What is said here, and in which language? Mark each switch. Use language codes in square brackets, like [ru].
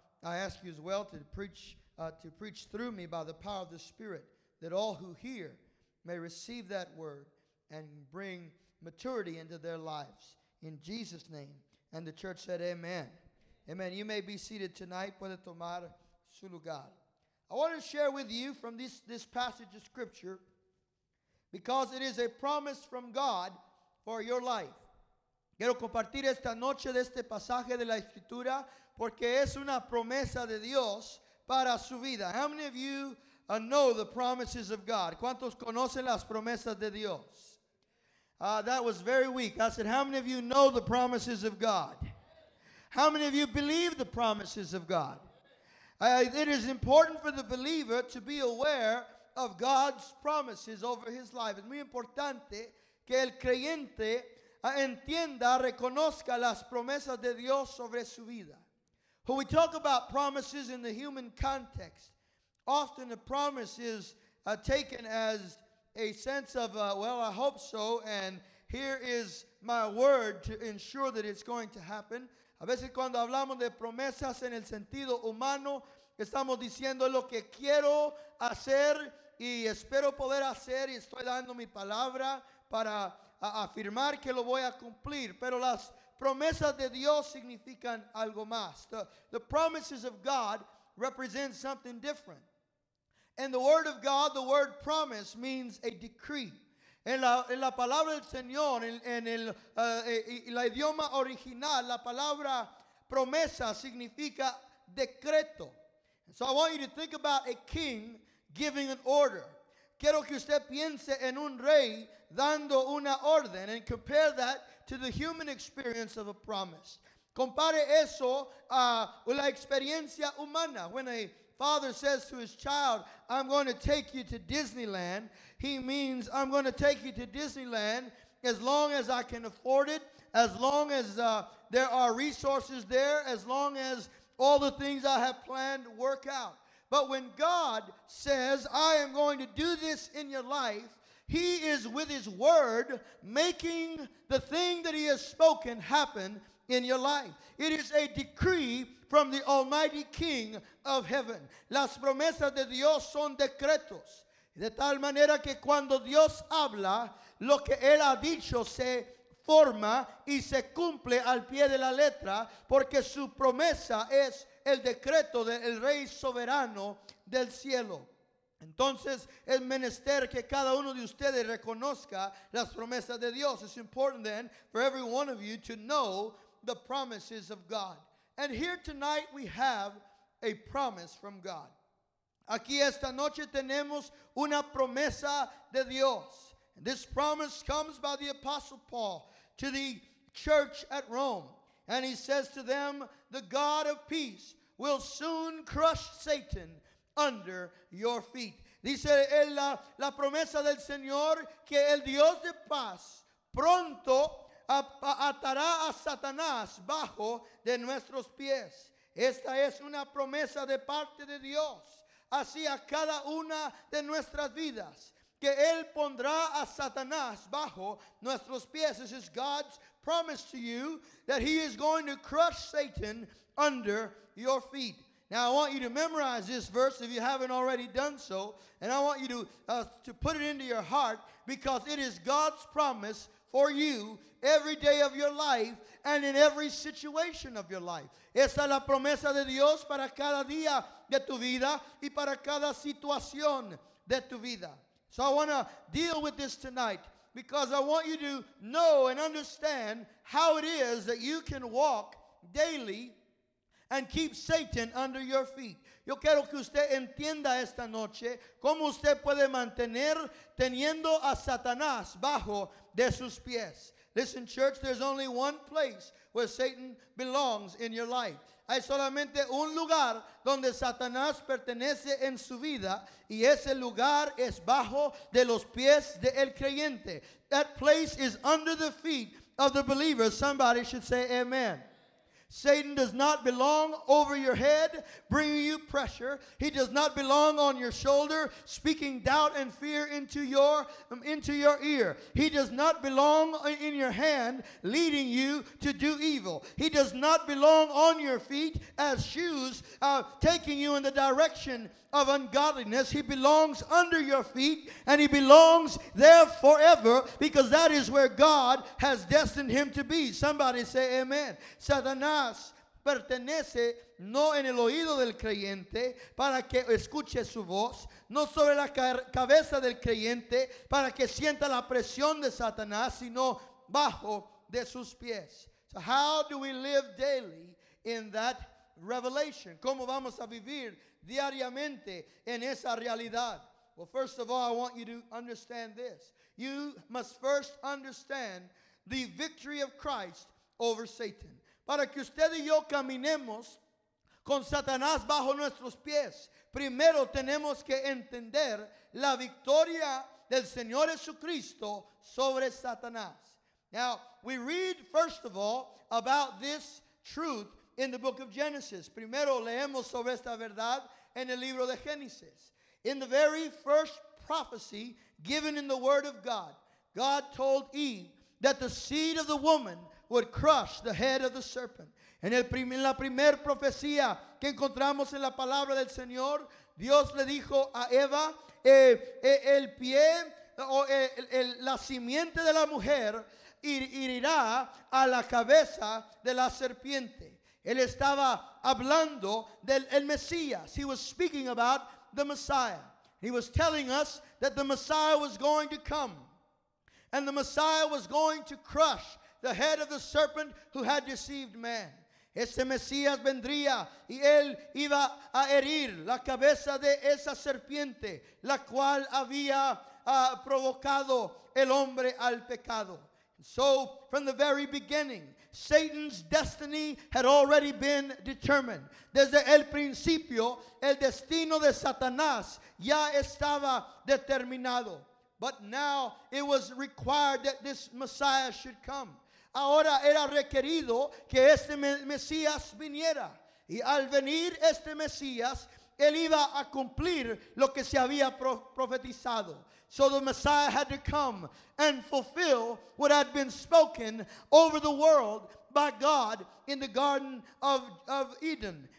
[en] I ask you as well to preach through me by the power of the Spirit, that all who hear may receive that word and bring maturity into their lives. In Jesus' name. And the church said, amen. Amen. You may be seated tonight. [es] Puede tomar su lugar. [en] I want to share with you from this passage of Scripture, because it is a promise from God for your life. [es] Quiero compartir esta noche de este pasaje de la Escritura, porque es una promesa de Dios para su vida. [en] How many of you know the promises of God? [es] ¿Cuántos conocen las promesas de Dios? [en] That was very weak. I said, how many of you know the promises of God? How many of you believe the promises of God? It is important for the believer to be aware of God's promises over his life. [es] Es muy importante que el creyente entienda, reconozca las promesas de Dios sobre su vida. [en] When we talk about promises in the human context, often the promise is taken as a sense of, well, I hope so, and here is my word to ensure that it's going to happen. [es] A veces cuando hablamos de promesas en el sentido humano, estamos diciendo lo que quiero hacer y espero poder hacer y estoy dando mi palabra para afirmar que lo voy a cumplir. Pero las promesas de Dios significan algo más. [en] The promises of God represent something different. And the word of God, the word promise, means a decree. [es] En la palabra del Señor, en el idioma original, la palabra promesa significa decreto. [en] So I want you to think about a king giving an order. [es] Quiero que usted piense en un rey dando una orden, [en] and compare that to the human experience of a promise. [es] Compare eso a la experiencia humana. [en] When a father says to his child, I'm going to take you to Disneyland, he means I'm going to take you to Disneyland as long as I can afford it, as long as there are resources there, as long as all the things I have planned work out. But when God says, I am going to do this in your life, he is with his word making the thing that he has spoken happen in your life. It is a decree from the Almighty King of Heaven. [es] Las promesas de Dios son decretos. De tal manera que cuando Dios habla, lo que Él ha dicho se forma y se cumple al pie de la letra, porque su promesa es el decreto del Rey Soberano del Cielo. Entonces, es menester que cada uno de ustedes reconozca las promesas de Dios. [en] It's important then for every one of you to know the promises of God. And here tonight we have a promise from God. [es] Aquí esta noche tenemos una promesa de Dios. [en] And this promise comes by the Apostle Paul to the church at Rome. And he says to them, the God of peace will soon crush Satan under your feet. [es] Dice él la promesa del Señor que el Dios de paz pronto atará a Satanás bajo de nuestros pies. Esta es una promesa de parte de Dios hacia cada una de nuestras vidas. que él pondrá a Satanás bajo nuestros pies. [en] This is God's promise to you that he is going to crush Satan under your feet. Now, I want you to memorize this verse if you haven't already done so. And I want you to put it into your heart because it is God's promise for you every day of your life and in every situation of your life. [es] Esa es la promesa de Dios para cada día de tu vida y para cada situación de tu vida. [en] So I want to deal with this tonight because I want you to know and understand how it is that you can walk daily and keep Satan under your feet. [es] Yo quiero que usted entienda esta noche cómo usted puede mantener teniendo a Satanás bajo de sus pies. [en] Listen, church, there's only one place where Satan belongs in your life. [es] Hay solamente un lugar donde Satanás pertenece en su vida, y ese lugar es bajo de los pies del creyente. [en] That place is under the feet of the believer. Somebody should say amen. Satan does not belong over your head, bringing you pressure. He does not belong on your shoulder, speaking doubt and fear into your ear. He does not belong in your hand, leading you to do evil. He does not belong on your feet as shoes, taking you in the direction of ungodliness. He belongs under your feet, and he belongs there forever because that is where God has destined him to be. Somebody say amen. [es] Satanás pertenece no en el oído del creyente para que escuche su voz, no sobre la cabeza del creyente para que sienta la presión de Satanás, sino bajo de sus pies. [en] So how do we live daily in that revelation? [es] ¿Cómo vamos a vivir diariamente en esa realidad? [en] Well, first of all, I want you to understand this. You must first understand the victory of Christ over Satan. [es] Para que usted y yo caminemos con Satanás bajo nuestros pies, primero tenemos que entender la victoria del Señor Jesucristo sobre Satanás. [en] Now, we read, first of all, about this truth in the book of Genesis. [es] Primero leemos sobre esta verdad en el libro de Génesis. [en] In the very first prophecy given in the Word of God, God told Eve that the seed of the woman would crush the head of the serpent. [es] En la primer profecía que encontramos en la palabra del Señor, Dios le dijo a Eva, el pie o la simiente de la mujer irá a la cabeza de la serpiente. Él estaba hablando del el Mesías. [en] He was speaking about the Messiah. He was telling us that the Messiah was going to come. And the Messiah was going to crush the head of the serpent who had deceived man. [es] Ese Mesías vendría y él iba a herir la cabeza de esa serpiente la cual había provocado el hombre al pecado. [en] So, from the very beginning, Satan's destiny had already been determined. [es] Desde el principio, el destino de Satanás ya estaba determinado. [en] But now, it was required that this Messiah should come. [es] Ahora era requerido que este Mesías viniera. Y al venir este Mesías, él iba a cumplir lo que se había profetizado. [en] So the Messiah had to come and fulfill what had been spoken over the world by God in the Garden of Eden.